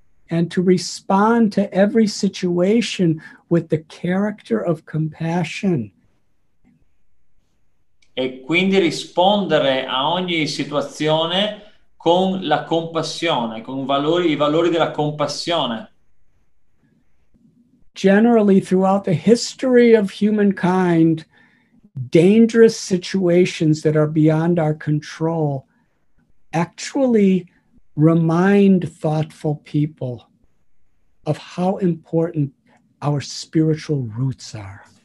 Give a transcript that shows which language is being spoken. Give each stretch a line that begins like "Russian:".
English: And to respond to every situation with the character of compassion.
Italian: E quindi rispondere a ogni situazione con la compassione, con i valori della compassione.
English: Generally, throughout the history of humankind, dangerous situations that are beyond our control actually remind thoughtful people of how important our spiritual roots are.